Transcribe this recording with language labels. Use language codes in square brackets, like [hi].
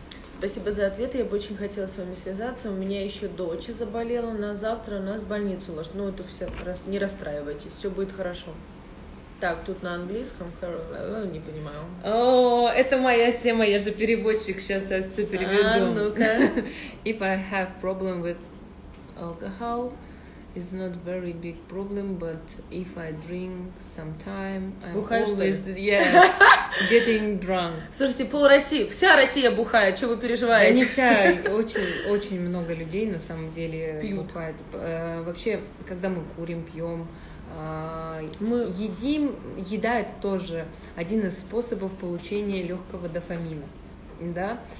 [ru] Спасибо за ответ, я бы очень хотела с вами связаться. У меня еще дочь заболела, на завтра у нас в больницу ложь. Ну, это все, не расстраивайтесь, все будет хорошо. Так, тут на английском, не понимаю. О, это моя тема, я же переводчик, сейчас я все переведу. А, ну-ка. [en] If I have problem with alcohol, it's not very big problem, but if I drink some time, I'm [ru] бухаешь, [en] always, getting drunk. [ru] Слушайте, пол России, вся Россия бухает, что вы переживаете? Не вся, очень много людей на самом деле пьют. Бухает. Вообще, когда мы курим, пьем, мы едим, еда это тоже один из способов получения легкого дофамина, да?